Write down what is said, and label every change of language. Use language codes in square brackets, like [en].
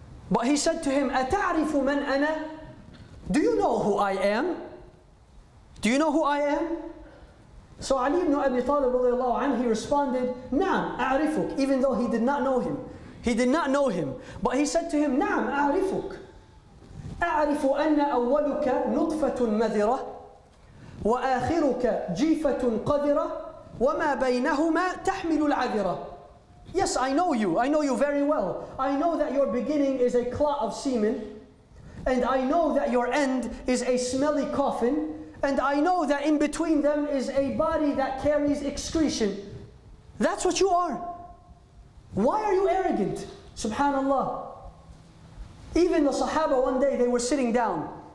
[en] But he said to him, [ar] أَتَعْرِفُ مَنْ أَنَا? [en] Do you know who I am? Do you know who I am? So Ali ibn Abi Talib رضي الله عنه, he responded, [ar] نعم أعرفك, [en] even though he did not know him. He did not know him. But he said to him, [ar] نعم أعرفك. أعرف أن أولك نطفة مذرة وآخرك جيفة قذرة وما بينهما تحمل العذرة. [en] Yes, I know you. I know you very well. I know that your beginning is a clot of semen. And I know that your end is a smelly coffin. And I know that in between them is a body that carries excretion. That's what you are. Why are you arrogant? Subhanallah. Even the Sahaba one day, they were sitting down.